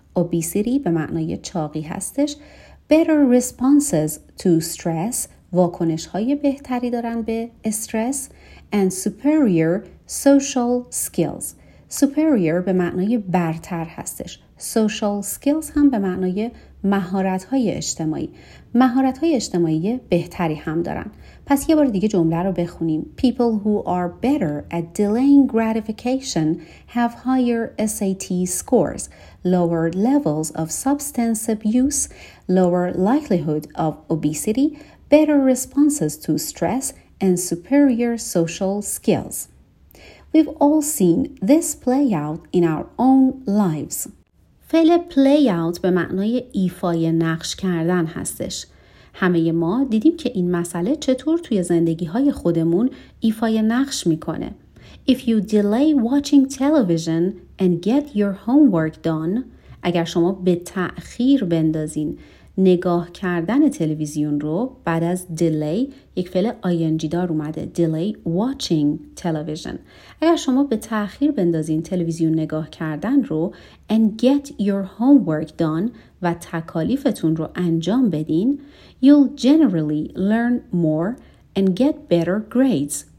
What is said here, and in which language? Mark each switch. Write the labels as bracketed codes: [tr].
[fa] Obesity به معنای چاقی هستش. [en] Better responses to stress, [fa] واکنش های بهتری دارن به استرس. [en] And superior social skills. [fa] Superior به معنای برتر هستش. Social skills هم به معنای مهارت های اجتماعی. مهارت های اجتماعی بهتری هم دارن. پس یه بار دیگه جمله رو بخونیم. [en] People who are better at delaying gratification have higher SAT scores. Lower levels of substance abuse, lower likelihood of obesity, better responses to stress, and superior social skills. We've all seen this play out in our own lives. [fa] فعل play out به معنای ایفای نقش کردن هستش. همه ما دیدیم که این مسئله چطور توی زندگی های خودمون ایفای نقش میکنه. [en] If you delay watching television and get your homework done, [fa] اگر شما به تأخیر بندازین نگاه کردن تلویزیون رو, بعد از [en] delay [fa] یک فعل ing دار اومده, [en] delay watching television, [fa] اگر شما به تأخیر بندازین تلویزیون نگاه کردن رو, [en] and get your homework done [fa] و تکالیفتون رو انجام بدین, [en] you'll generally learn more and get better grades.